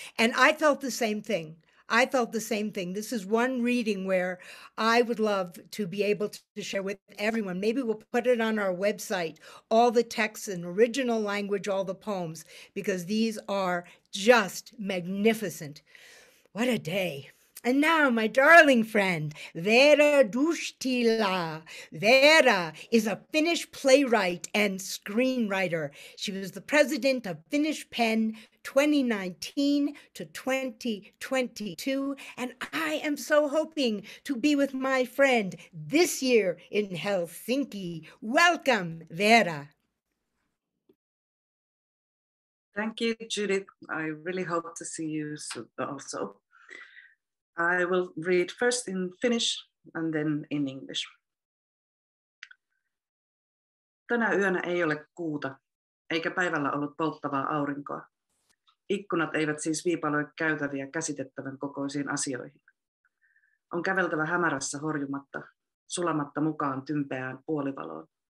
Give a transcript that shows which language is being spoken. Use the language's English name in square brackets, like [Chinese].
[English] And I felt the same thing. I felt the same thing. This is one reading where I would love to be able to share with everyone. Maybe we'll put it on our website, all the texts in original language, all the poems, because these are just magnificent. What a day. And now, my darling friend, Veera Tyhtilä. Veera is a Finnish playwright and screenwriter. She was the president of Finnish PEN 2019 to 2022. And I am so hoping to be with my friend this year in Helsinki. Welcome, Veera. Thank you, Judyth. I really hope to see you also. I will read first in Finnish and then in English. [Finnish] Tänä yönä ei ole kuuta, eikä päivällä ollut polttavaa aurinkoa. Ikkunat eivät siis viipaloi käytäviä käsitettävän kokoisiin asioihin. On käveltävä hämärässä horjumatta, sulamatta mukaan tympeään puolivaloon.